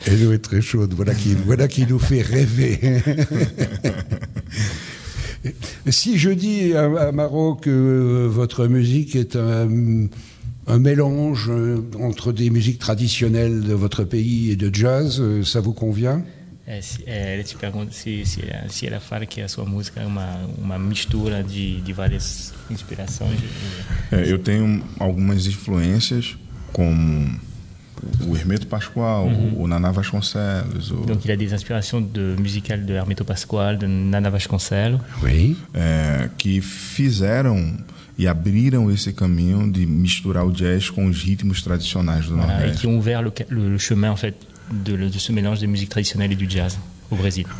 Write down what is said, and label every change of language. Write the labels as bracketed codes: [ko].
[fr] Et l'eau est très chaude, voilà qui nous fait rêver. Si je dis à Maro que votre musique est un mélange entre des musiques traditionnelles de votre pays et de jazz, ça vous convient ? [pt] Ela te pergunta se ela fala que a sua música é uma mistura de várias inspirações. Eu tenho algumas influências como o Hermeto Pascoal, uhum. O Naná Vasconcelos. Então, ele tem as inspirações musicais do Hermeto Pascoal, do Naná Vasconcelos. [fr] Oui. [pt] Que fizeram e abriram esse caminho de misturar o jazz com os ritmos tradicionais do Nordeste. E que [fr] ont ouvert le chemin, en fait, de ce mélange de musique traditionnelle et du jazz au Brésil.